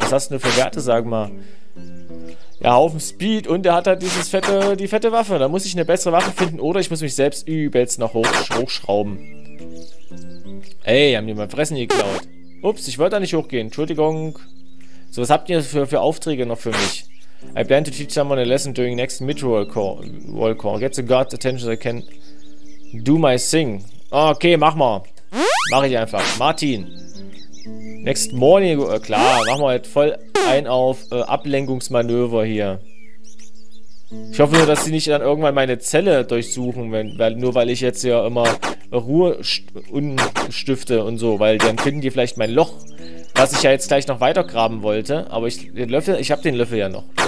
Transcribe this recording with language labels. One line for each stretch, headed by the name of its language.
German: Was hast du für Werte, sag mal? Ja, Haufen Speed und er hat halt dieses fette, die fette Waffe. Da muss ich eine bessere Waffe finden oder ich muss mich selbst übelst noch hochschrauben. Ey, haben die mein Fressen geklaut. Ups, ich wollte da nicht hochgehen. Entschuldigung. So, was habt ihr für Aufträge noch für mich?
English: I plan to teach someone a lesson during next mid-roll call. Get the guard's attention so I can do my thing.
German: Okay, mach mal. Mach ich einfach. Martin.
English: Next morning,
German: klar, machen wir halt voll ein auf Ablenkungsmanöver hier. Ich hoffe nur, dass sie nicht dann irgendwann meine Zelle durchsuchen, weil ich jetzt ja immer Ruhe unstifte und so, weil dann finden die vielleicht mein Loch, was ich ja jetzt gleich noch weitergraben wollte, aber ich hab den Löffel ja noch.